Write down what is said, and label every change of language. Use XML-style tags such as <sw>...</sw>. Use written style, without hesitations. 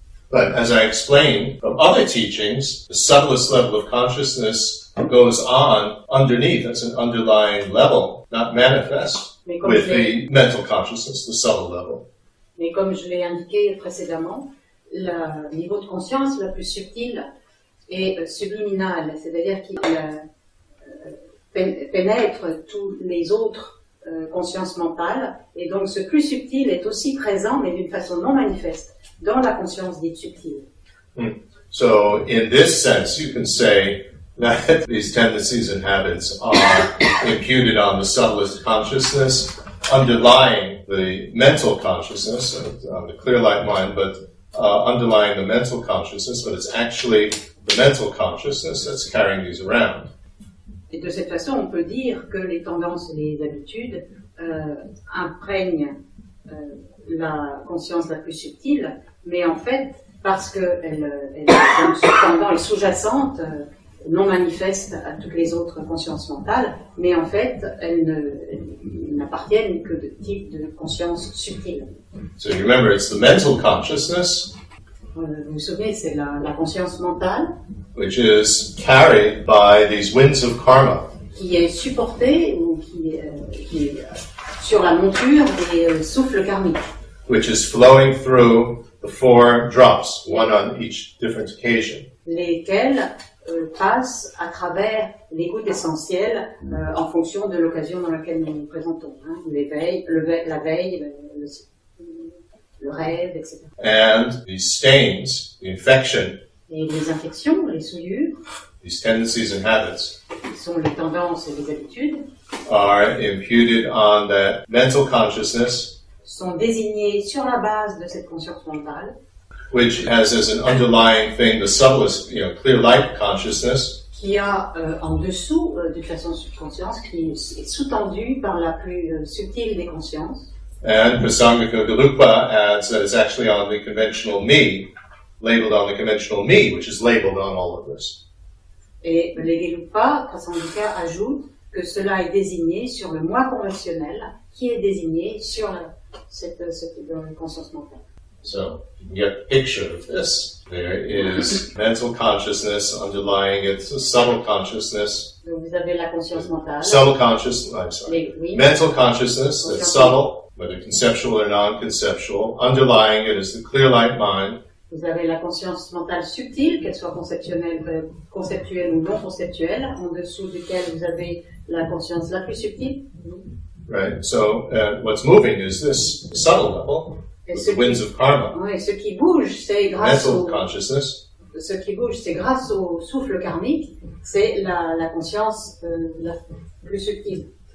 <en>But as I explained from other teachings, the subtlest level of consciousness goes on underneath as an underlying level, not manifest with the mental consciousness, the subtle level.</en> <fr>Mais comme je l'ai indiqué précédemment, le niveau de conscience le plus subtil est subliminal, c'est-à-dire qu'il pénètre tous les autres conscience mentale, et donc ce plus subtil est aussi présent, mais d'une façon non manifeste, dans la conscience dite subtile.</fr> <en>So, in this sense, you can say that these tendencies and habits are imputed on the subtlest consciousness, underlying the mental consciousness, the clear light mind, but underlying the mental consciousness, but it's actually the mental consciousness that's carrying these around.</en> <fr>Et de cette façon, on peut dire que les tendances et les habitudes imprègnent la conscience la plus subtile, mais en fait, parce qu'elle est sous-jacente, non manifeste à toutes les autres consciences mentales, mais en fait, elles n'appartiennent que de type de conscience subtile.</fr> <en>So you remember, it's the mental consciousness.</en> <fr>Vous vous souvenez, c'est la conscience mentale.</fr> <en>Which is carried by these winds of karma.</en> <fr>Qui est supporté ou qui est sur la monture des souffles karmiques.</fr> <en>Which is flowing through the four drops, one on each different occasion.</en> <fr>Lesquels passent à travers les gouttes essentielles en fonction de l'occasion dans laquelle nous nous présentons. Hein, la veille, le rêve, etc.</fr> <en>And these stains, the infection.</en> <fr>Et les infections, les souillures,</fr> <en>these tendencies and habits,</en> <fr>sont les tendances et les habitudes,</fr> <en>are imputed on that mental consciousness,</en> <fr>sont désignés sur la base de cette conscience mentale,</fr> <en>which has as an underlying thing the subtlest, you know, clear light consciousness,</en> <fr>qui a en dessous de façon subconsciente, qui est sous-tendue par la plus subtile des consciences.</fr> <en>And Prasangika Galupa adds that it's actually on the conventional me, labeled on the conventional me, which is labeled on all of this.</en> <fr>Et le Galupa, Prasangika, ajoute que cela est désigné sur le moi conventionnel, qui est désigné sur cette conscience mentale.</fr> <en>So, you get a picture of this. There is mental consciousness underlying it, so subtle consciousness.</en> <fr>Donc vous avez la conscience mentale.</fr> <en>Subtle consciousness, I'm sorry.</en> <fr>Oui.</fr> <en>Mental consciousness, that's subtle. Whether conceptual or non-conceptual, underlying it is the clear light mind.</en> <fr>Vous avez la conscience mentale subtile, qu'elle soit conceptuelle ou non-conceptuelle, en dessous duquel vous avez la conscience la plus subtile.</fr> <en>Right. So, what's moving is this subtle level, the winds of karma.</en> <fr>Oui, ce qui bouge, c'est grâce</fr> <en>mental consciousness.</en> <fr>Ce qui bouge, c'est grâce au souffle karmique, c'est la conscience la plus subtile.</fr>